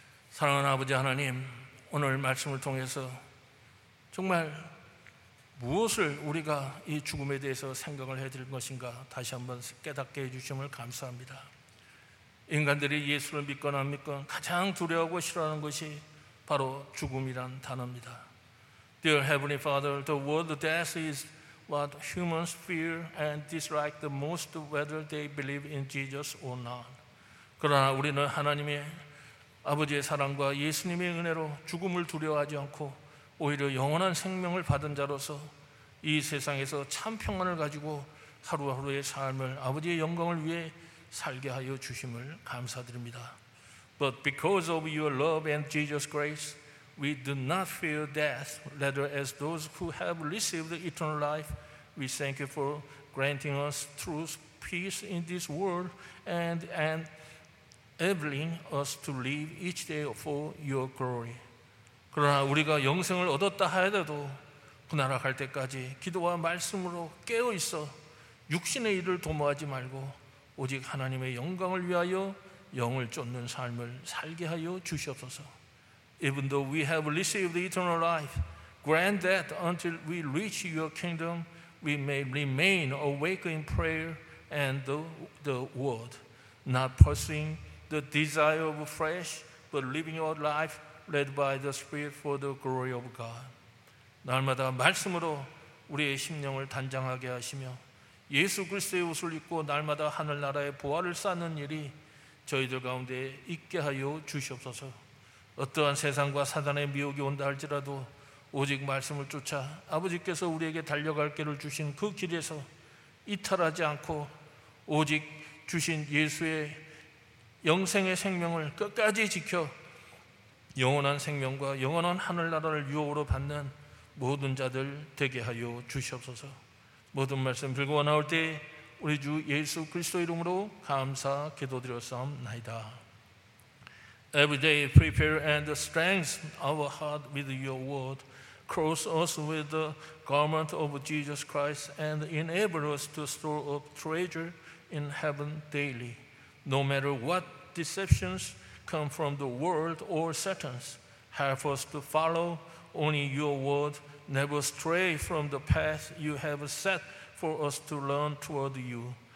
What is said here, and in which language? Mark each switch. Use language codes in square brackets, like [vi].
[ko] 사랑하는 아버지 하나님, 오늘 말씀을 통해서 정말 무엇을 우리가 이 죽음에 대해서 생각을 해드릴 것인가 다시 한번 깨닫게 해주심을 감사합니다. 인간들이 예수를 믿거나 안 믿건 가장 두려워하고 싫어하는 것이 바로 죽음이란 단어입니다. [en] Dear Heavenly Father, the word death is what humans fear and dislike the most whether they believe in Jesus or not. [ko] 그러나 우리는 하나님의 아버지의 사랑과 예수님의 은혜로 죽음을 두려워하지 않고 오히려 영원한 생명을 받은 자로서 이 세상에서 참 평안을 가지고 하루하루의 삶을 아버지의 영광을 위해 살게 하여 주심을 감사드립니다. [en] But because of your love and Jesus' grace, we do not fear death, rather as those who have received eternal life, we thank you for granting us truth, peace in this world, and enabling us to live each day for your glory. [ko] 그러나 우리가 영생을 얻었다 하더라도 그날 갈 때까지 기도와 말씀으로 깨어 있어 육신의 일을 도모하지 말고 오직 하나님의 영광을 위하여 영을 쫓는 삶을 살게 하여 주시옵소서. [en] Even though we have received eternal life, grant that until we reach your kingdom, we may remain awake in prayer and the word, not pursuing the desire of flesh, but living our life led by the Spirit for the glory of God. [ko] 날마다 말씀으로 우리의 심령을 단장하게 하시며 예수 그리스도의 옷을 입고 날마다 하늘나라의 보화를 쌓는 일이 저희들 가운데 있게 하여 주시옵소서. 어떠한 세상과 사단의 미혹이 온다 할지라도 오직 말씀을 쫓아 아버지께서 우리에게 달려갈 길을 주신 그 길에서 이탈하지 않고 오직 주신 예수의 영생의 생명을 끝까지 지켜 영원한 생명과 영원한 하늘나라를 유업으로 받는 모든 자들 되게 하여 주시옵소서. 모든 말씀 들고 나올 때 우리 주 예수 그리스도 이름으로 감사 기도드렸사옵나이다. [en] Every day prepare and strengthen our heart with your word. Cross us with the garment of Jesus Christ and enable us to store up treasure in heaven daily. No matter what deceptions come from the world or Satan's, help us to follow only your word, never stray from the path you have set for us to learn toward you.